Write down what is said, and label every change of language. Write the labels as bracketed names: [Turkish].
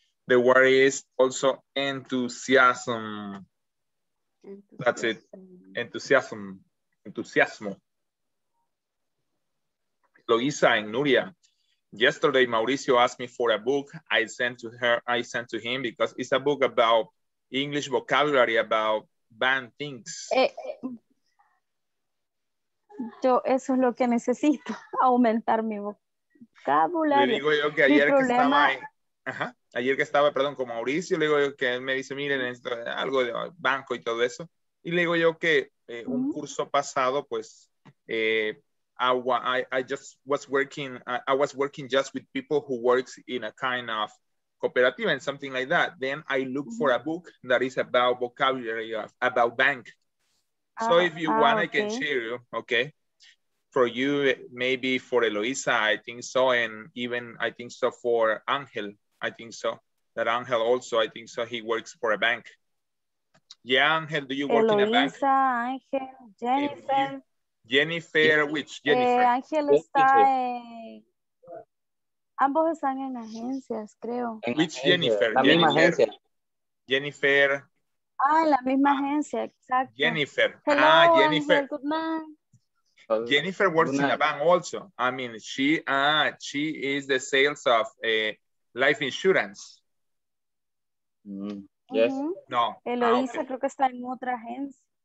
[English] The word is also enthusiasm. That's it. Enthusiasm. Entusiasmo. Loisa and Nuria. Yesterday, Mauricio asked me for a book. I sent to him because it's a book about English vocabulary, about bad things. [Spanish] Yo eso es lo que necesito, aumentar mi vocabulario. Le digo yo que ayer que estaba ahí, ayer que estaba con Mauricio, le digo yo que él me dice, miren, esto, algo de banco y todo eso. Y le digo yo que un curso pasado, pues, [English] I was working just with people who works in a kind of cooperative and something like that. Then I look for a book that is about vocabulary, about bank. So if you want, okay. I can share you, okay? For you, maybe for Eloisa, I think so. And even, I think so for Angel, I think so. That Angel also, I think so, he works for a bank. Yeah, Angel, do you work Eloisa, in a bank? Eloisa, Angel, Jennifer. Jennifer, which Jennifer? [Spanish] Angel está ambos están en agencias, creo. [English] And which Jennifer? [Spanish] La misma agencia. Jennifer. La misma agencia, exacto. Jennifer. [English] Hello, Jennifer. Angel, Jennifer works in a bank also. I mean, she is the sales of life insurance. Yes. Mm-hmm. No. [Spanish] Eloisa, okay. Creo que está en otra agencia.